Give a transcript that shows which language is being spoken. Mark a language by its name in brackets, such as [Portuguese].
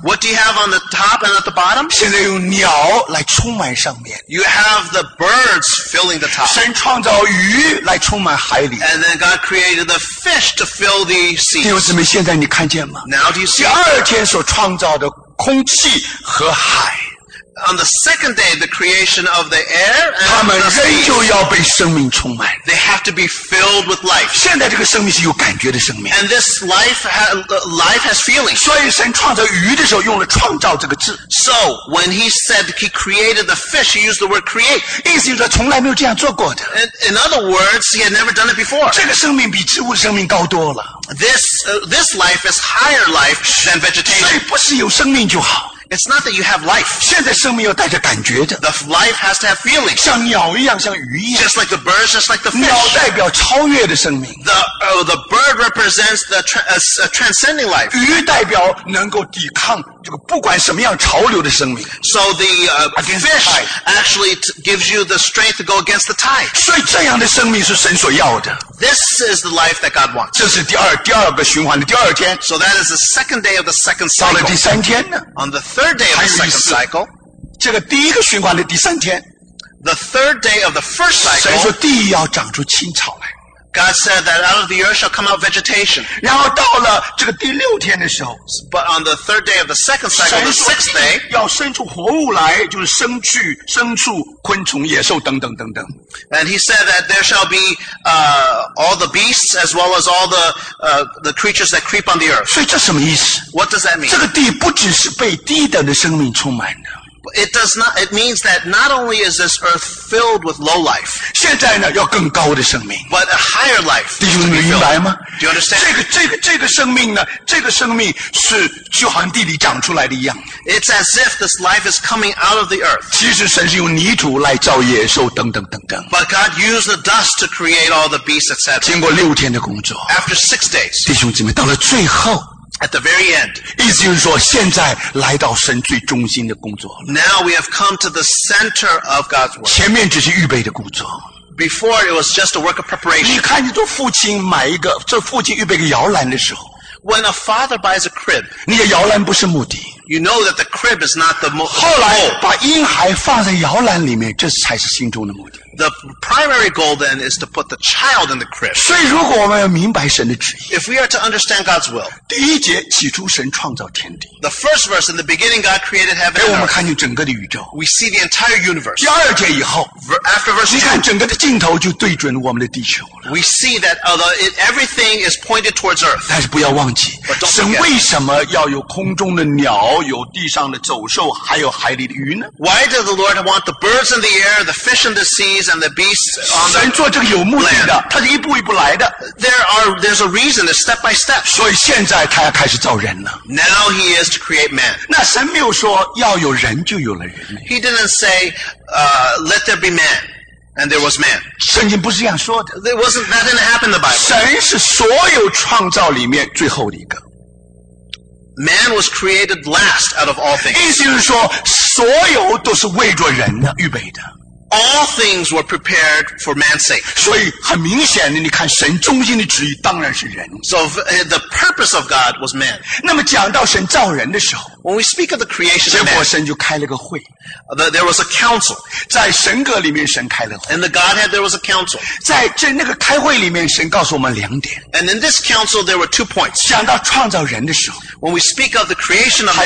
[English] What do you have on the top and at the bottom? [Chinese] 现在用鸟来充满上面。 [English] You have the birds filling the top. [Chinese] 神创造鱼来充满海里。 [English] And then God created the fish to fill the sea. [Chinese] 弟兄姊妹，现在你看见吗? [English] Now do you see? [Chinese] 第二天所创造的空气和海。 [English] On the second day, the creation of the air and the sea. They have to be filled with life. [Chinese] 现在这个生命是有感觉的生命。 [English] And this life has feelings. [Chinese] 所以神创造鱼的时候用了创造这个字。 [English] So, when he said he created the fish, he used the word create. [Chinese] 意思就是从来没有这样做过的。 [English] In other words, he had never done it before. [Chinese] 这个生命比植物生命高多了。 [English] This life is higher life than vegetation. [Chinese] 所以不是有生命就好。 [English] It's not that you have life. [Chinese] 现在生命要带着感觉的。 [English] The life has to have feelings. [Chinese] 像鸟一样，像鱼一样。 [English] Just like the birds, just like the fish. [Chinese] 鸟代表超越的生命。 [English] The bird represents the transcending life. [Chinese] 鱼代表能够抵抗这个不管什么样潮流的生命。 [English] So the fish actually gives you the strength to go against the tide. [Chinese] 所以这样的生命是神所要的。 [English] This is the life that God wants. [Chinese] 这是第二个循环的第二天。 [English] So that is the second day of the second cycle. [Chinese] 到了第三天呢？ [English] On the third day of the second cycle. [Chinese] 这个第一个循环的第三天。 [English] The third day of the first cycle. [Chinese] 神说地要长出青草来。 [English] God said that out of the earth shall come out vegetation. [Chinese] 然后到了这个第六天的时候。 [English] But on the third day of the second cycle, the sixth day. [Chinese] 要生出活物来，就是牲畜、昆虫、野兽等等等等。 [English] And he said that there shall be all the beasts as well as all the creatures that creep on the earth. [Chinese] 所以这什么意思? [English] What does that mean? [Chinese] 这个地不只是被低等的生命充满的。 [English] It means that not only is this earth filled with low life, [Chinese] 现在呢要更高的生命 [English] but a higher life. [Chinese] 弟兄们明白吗? [English] Do you understand? [Chinese] 这个生命呢，这个生命是就好像地里长出来的一样。 [English] It's as if this life is coming out of the earth. [Chinese] 其实神是用泥土来造野兽等等等等。 [English] But God used the dust to create all the beasts, etc. [Chinese] 经过六天的工作 [English] after 6 days. [Chinese] 弟兄姊妹，到了最后。 [English] At the very end. [Chinese] 意思就是说现在来到神最中心的工作了。 [English] Now we have come to the center of God's work. [Chinese] 前面只是预备的工作。 [English] Before, it was just a work of preparation. [Chinese] 你看你做父亲买一个，这父亲预备个摇篮的时候。 [English] When a father buys a crib, [Chinese] 你的摇篮不是目的。 [English] You know that the crib is not the goal. [Chinese] 后来把婴孩放在摇篮里面，这才是心中的目的。 [English] The primary goal then is to put the child in the crib. [Chinese] 所以如果我们要明白神的旨意， [English] If we are to understand God's will, [Chinese] 第一节起初神创造天地。 [English] The first verse, in the beginning God created heaven and earth. [Chinese] 给我们看见整个的宇宙。 [English] We see the entire universe. [Chinese] 第二节以后， [English] After verse [Chinese] 2, 你看整个的镜头就对准我们的地球了。 [English] We see that everything is pointed towards earth. [Chinese] 但是不要忘记， [English] But don't [Chinese] 神为什么要有空中的鸟，有地上的走兽，还有海里的鱼呢？ [English] Why does the Lord want the birds in the air, the fish in the seas,and the beasts on the land. [Chinese] 神做这个有目的的，他是一步一步来的。 [English] There's a reason, it's step by step. [Chinese] 所以现在他要开始造人了。 [English] Now he is to create man. [Chinese] 那神没有说要有人就有了人。 [English] He didn't say, let there be man, and there was man. [Chinese] 圣经不是这样说的。 [English] That didn't happen in the Bible. [Chinese] 神是所有创造里面最后的一个。 [English] Man was created last out of all things. [Chinese] 意思是说，所有都是为着人的预备的。 [English] All things were prepared for man's sake. [Chinese] 所以很明显的，你看神中心的旨意当然是人。 [English] So the purpose of God was man. [Chinese] 那么讲到神造人的时候， [English] When we speak of the creation of man, [Chinese] 结果神就开了个会。 [English] There was a council. [Chinese] 在神阁里面神开了会。 [English] In the Godhead there was a council. [Chinese] 在这那个开会里面神告诉我们两点。 [English] And in this council there were two points. [Chinese] 讲到创造人的时候， [English] When we speak of the creation of man,